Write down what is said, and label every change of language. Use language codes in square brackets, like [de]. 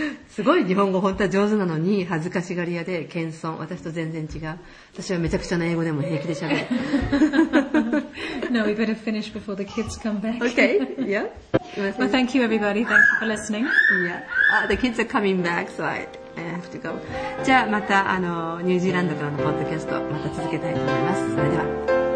[ja] すごい日本語本当は上手なのに恥ずかしがり屋で謙遜。私と全然違う。私はめちゃくちゃな英語でも平気で喋る。 [en] No, we better finish before the kids come back. Okay. Yeah. Well, thank you, everybody. Thank you for listening. Yeah. The kids are coming back, so I have to go. [ja] じゃあまたあのニュージーランドからのポッドキャストまた続けたいと思います。それでは。